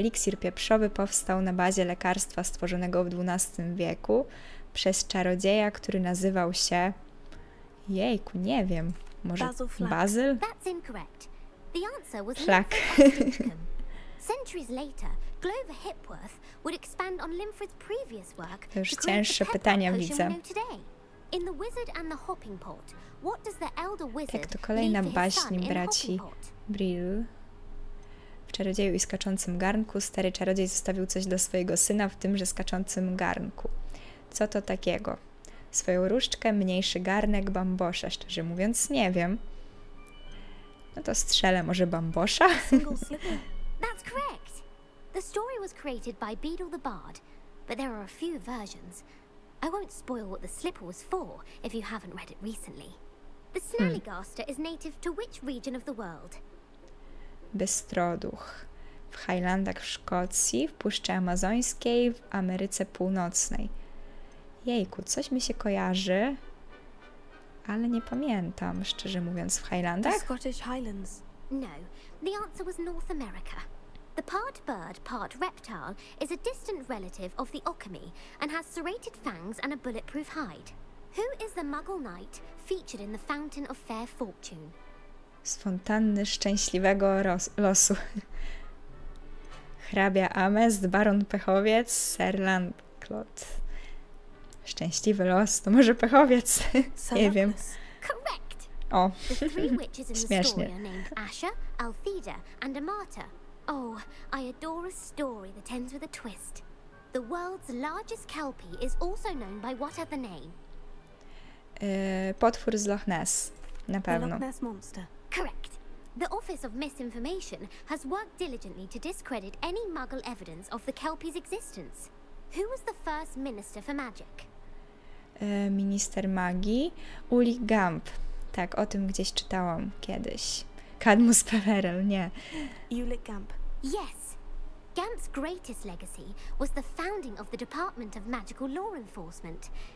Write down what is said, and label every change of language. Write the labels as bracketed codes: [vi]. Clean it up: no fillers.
[pl] Eliksir pieprzowy powstał na bazie lekarstwa stworzonego w XII wieku przez czarodzieja, który nazywał się... Jejku, nie wiem. Może Bazyl? [en] The answer was Lymphrid Ostrichum. Centuries later, Glover Hipworth would expand on Lymphrid's previous work [pl] to już cięższe pytania widzę. [en] In The Wizard and the Hopping Pot, what does the Elder Wizard [pl] tak, to kolejna baśń braci Brill. W Czarodzieju i Skaczącym Garnku stary czarodziej zostawił coś dla swojego syna w tymże skaczącym garnku. Co to takiego? Swoją różdżkę, mniejszy garnek, bambosza. Szczerze mówiąc, nie wiem. No to strzelę, może bambosza? [en] That's correct. The story was created by Beedle the Bard, but there are a few versions. I won't spoil what the slipper was for if you haven't read it recently. The Snallygaster is native to which region of the world? [pl] Bystroduch. W Highlandach w Szkocji, w Puszczy Amazońskiej, w Ameryce Północnej. Jejku, coś mi się kojarzy. Ale nie pamiętam, szczerze mówiąc, w Highlandach. [en] The Scottish Highlands. No, the answer was North America. The part bird, part reptile is a distant relative of the Okami and has serrated fangs and a bulletproof hide. Who is the Muggle Knight featured in the Fountain of Fair Fortune? [pl] Z fontanny szczęśliwego losu. Hrabia Amest, baron pechowiec, Sir Lancelot. Szczęśliwy los, to może pechowiec. Nie wiem. [en] Correct. O. [pl] Śmiesznie. Asha, Althida and Amata. [en] Oh, I adore a story that ends with a twist. The world's largest kelpie is also known by what other name? [pl] Potwór z Loch Ness, na pewno. [en] The Loch Ness Monster. Correct. The Office of Misinformation has worked diligently to discredit any Muggle evidence of the kelpie's existence. Who was the first minister for magic? [pl] Minister magii, Uli Gamp. Tak, o tym gdzieś czytałam kiedyś. Cadmus Peverell, nie. Ulic Gamp. [en] Yes. Gamp's greatest legacy was the founding of the Department of Magical Law Enforcement.